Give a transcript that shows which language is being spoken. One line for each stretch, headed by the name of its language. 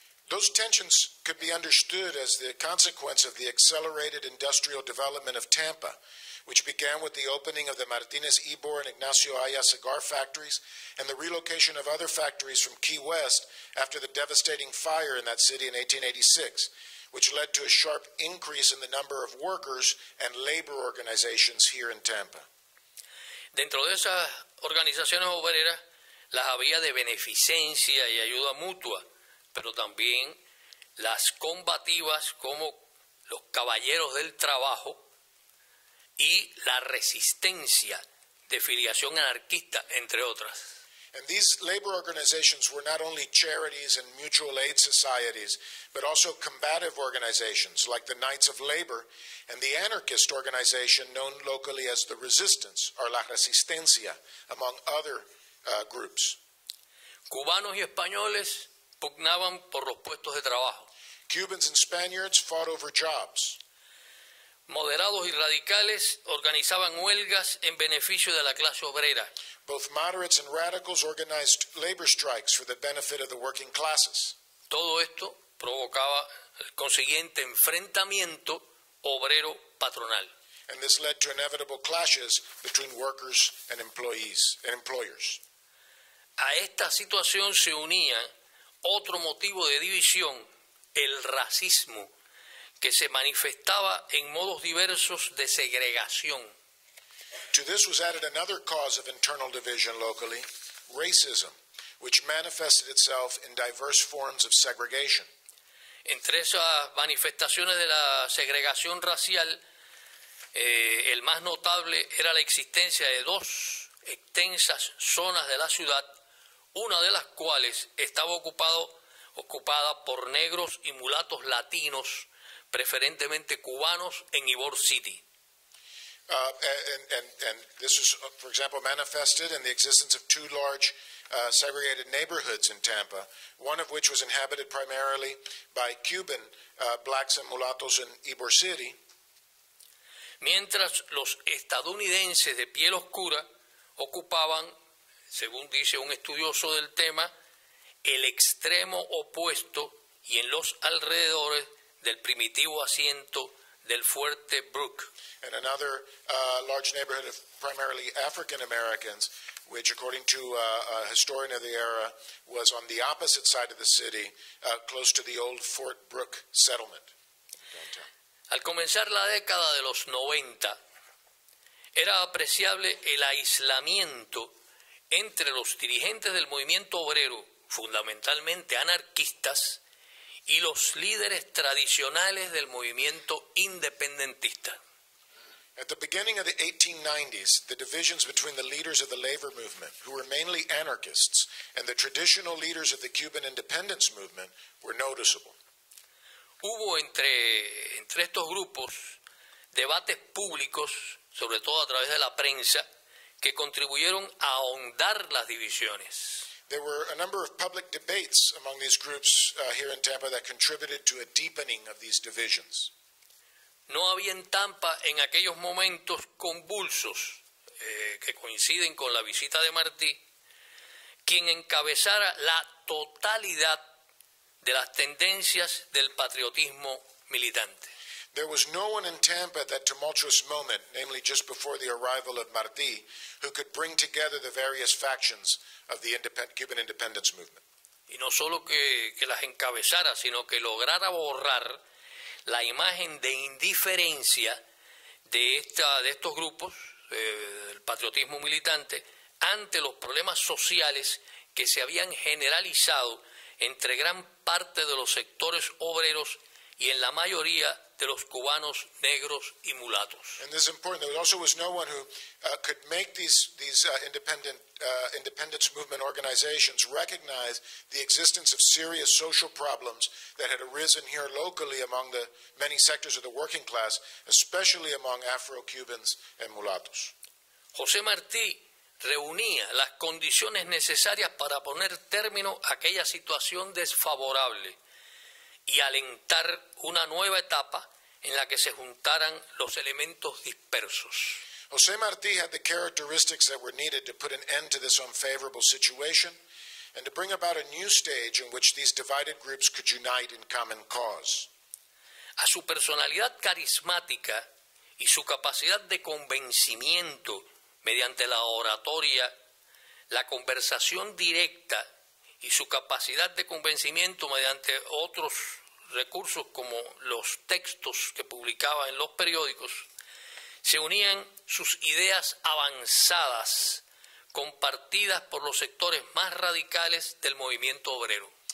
English: Those tensions could be understood as the consequence of the accelerated industrial development of Tampa, which began with the opening of the Martínez Ibor and Ignacio Aya cigar factories and the relocation of other factories from Key West after the devastating fire in that city in 1886, which led to a sharp increase in the number of workers and labor organizations here in Tampa.
Spanish: Dentro de esas organizaciones obreras, las había de beneficencia y ayuda mutua, pero también las combativas como los Caballeros del Trabajo y la Resistencia de filiación anarquista, entre otras.
English: And these labor organizations were not only charities and mutual aid societies, but also combative organizations like the Knights of Labor and the anarchist organization known locally as the Resistance, or La Resistencia, among other groups.
Spanish: Cubanos y españoles pugnaban por los puestos de trabajo.
English: Cubans and Spaniards fought over jobs.
Spanish: Moderados y radicales organizaban huelgas en beneficio de la clase obrera.
English: Both moderates and radicals organized labor strikes for the benefit of the working classes.
Spanish: Todo esto provocaba el consiguiente enfrentamiento obrero-patronal.
English: And this led to inevitable clashes between workers and employees and employers.
Spanish: A esta situación se unía otro motivo de división, el racismo, que se manifestaba en modos diversos de segregación.
English: To this was added another cause of internal division locally, racism, which manifested itself in diverse forms of segregation.
Spanish: Entre esas manifestaciones de la segregación racial, el más notable era la existencia de dos extensas zonas de la ciudad, una de las cuales estaba ocupada por negros y mulatos latinos, preferentemente cubanos, en Ybor City.
English: And this is, for example, manifested in the existence of two large segregated neighborhoods in Tampa, one of which was inhabited primarily by Cuban blacks and mulatos in Ybor City.
Spanish: Mientras los estadounidenses de piel oscura ocupaban, según dice un estudioso del tema, el extremo opuesto y en los alrededores del primitivo asiento del Fuerte Brook.
English: And another large neighborhood of primarily African Americans, which according to a historian of the era, was on the opposite side of the city, close to the old Fort Brook settlement.
Spanish: Al comenzar la década de los 90, era apreciable el aislamiento entre los dirigentes del movimiento obrero, fundamentalmente anarquistas, y los líderes tradicionales del movimiento independentista.
English: At the beginning of the 1890s, the divisions between the leaders of the labor movement, who were mainly anarchists, and the traditional leaders of the Cuban independence movement were noticeable.
Spanish: Hubo entre estos grupos debates públicos, sobre todo a través de la prensa, que contribuyeron a ahondar las divisiones.
English: There were a number of public debates among these groups here in Tampa that contributed to a deepening of these divisions.
Spanish: No había en Tampa en aquellos momentos convulsos que coinciden con la visita de Martí quien encabezara la totalidad de las tendencias del patriotismo militante.
English: There was no one in Tampa at that tumultuous moment, namely just before the arrival of Martí, who could bring together the various factions of the Cuban independence movement.
Spanish: Y no solo que las encabezara, sino que lograra borrar la imagen de indiferencia de estos grupos, el patriotismo militante, ante los problemas sociales que se habían generalizado entre gran parte de los sectores obreros y en la mayoría de los cubanos negros y mulatos.
English: And this is important. There also was no one who could make these independence movement organizations recognize the existence of serious social problems that had arisen here locally among the many sectors of the working class, especially among Afro-Cubans and mulatos.
Spanish: José Martí reunía las condiciones necesarias para poner término a aquella situación desfavorable y alentar una nueva etapa en la que se juntaran los elementos dispersos.
English: José Martí had the characteristics that were needed to put an end to this unfavorable situation and to bring about a new stage in which these divided groups could unite in common cause.
Spanish: A su personalidad carismática y su capacidad de convencimiento mediante la oratoria, la conversación directa y su capacidad de convencimiento mediante otros recursos como los textos que publicaba en los periódicos, se unían sus ideas avanzadas, compartidas por los sectores más radicales del movimiento obrero.